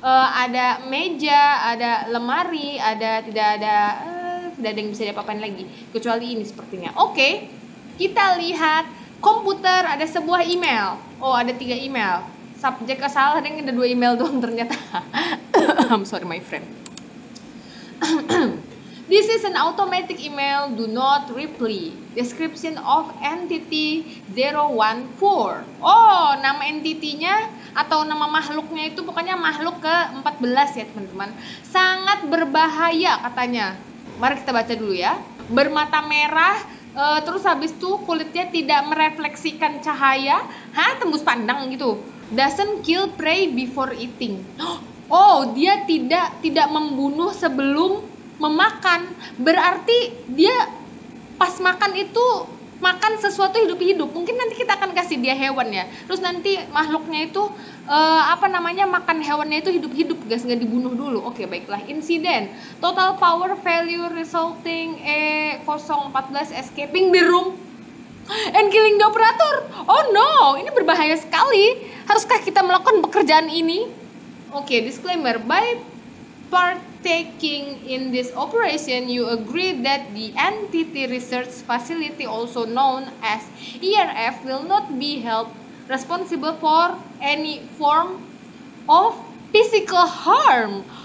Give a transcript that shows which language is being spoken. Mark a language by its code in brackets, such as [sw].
[id] Ada meja, ada lemari, tidak ada yang bisa diapa-apain lagi kecuali ini sepertinya. Kita lihat komputer, ada sebuah email. Ada 3 email. Subjeknya salah, ini ada 2 email doang ternyata. [en] I'm sorry, my friend. This is an automatic email, do not reply. Description of entity 014. [id] Nama entity-nya atau nama makhluknya itu pokoknya makhluk ke-14 ya, teman-teman. Sangat berbahaya katanya. Mari kita baca dulu ya. Bermata merah, terus habis itu kulitnya tidak merefleksikan cahaya. Tembus pandang gitu. [en] Doesn't kill prey before eating. [id] Dia tidak membunuh sebelum memakan. Berarti dia pas makan itu makan sesuatu hidup-hidup. Mungkin nanti kita akan kasih dia hewan ya. Terus nanti makhluknya itu makan hewannya itu hidup-hidup, guys, nggak dibunuh dulu. Baiklah. [en] Incident. Total power failure resulting 014 escaping the room and killing the operator. [id] Ini berbahaya sekali. Haruskah kita melakukan pekerjaan ini? [en] Disclaimer. By partaking in this operation, you agree that the entity research facility, also known as ERF, will not be held responsible for any form of physical harm.